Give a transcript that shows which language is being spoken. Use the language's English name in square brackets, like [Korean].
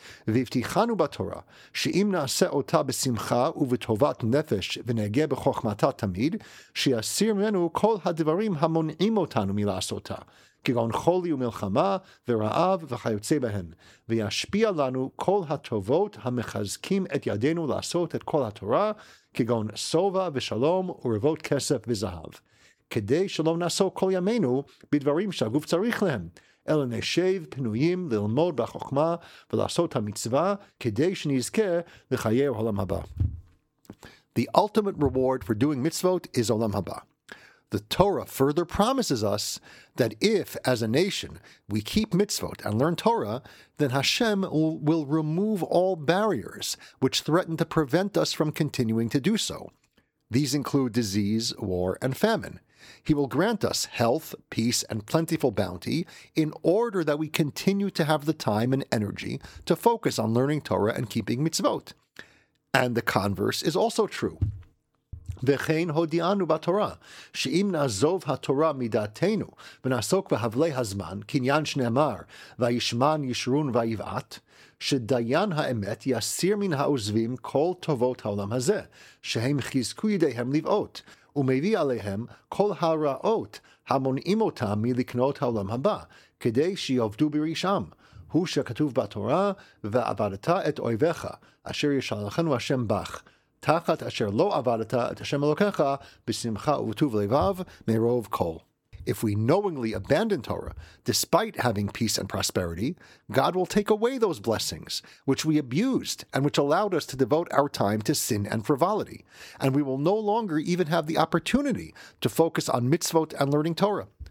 [Hebrew] V'yivtichanu ba'Torah, she'im na'aseh ota b'simcha uv'tovat nefesh v'negeh b'chochmata tamid, she'asir menu kol ha'divarim ha'mon'im otanu mila'asota, כגון חולי ומלחמה ורעב וכיוצא בהן, וישפיע לנו כל הטובות המחזקים את ידינו לעשות את כל התורה, כגון סובה ושלום ורבות כסף וזהב, כדי שלא נעסוק כל ימינו בדברים שהגוף צריך להם, אלא נשב פנויים ללמוד בחוכמה ולעשות המצווה, כדי שנזכה לחיי העולם הבא. [English] The ultimate reward for doing mitzvot is עולם הבא. The Torah further promises us that if, as a nation, we keep mitzvot and learn Torah, then Hashem will remove all barriers which threaten to prevent us from continuing to do so. These include disease, war, and famine. He will grant us health, peace, and plentiful bounty in order that we continue to have the time and energy to focus on learning Torah and keeping mitzvot. And the converse is also true. [Hebrew] וכן הודיענו בתורה, שאם נעזוב התורה מדעתנו ונעסוק בהבלי הזמן, קניין שנאמר, וישמן ישרון ויבעת, שדיין האמת יסיר מן העוזבים כל טובות העולם הזה, שהם חיזקו ידיהם לבעות, ומביא עליהם כל הרעות המונעים אותם מלקנות העולם הבא, כדי שיעבדו ברשעם. הוא שכתוב בתורה, ועבדת את אויביך, אשר ישלחנו השם בך, תחת אשר לא עבדת את השם אלוקיך בשמחה ובטוב לבב מרוב כל. [English] If we knowingly abandon Torah, despite having peace and prosperity, God will take away those blessings, which we abused and which allowed us to devote our time to sin and frivolity. And we will no longer even have the opportunity to focus on mitzvot and learning Torah.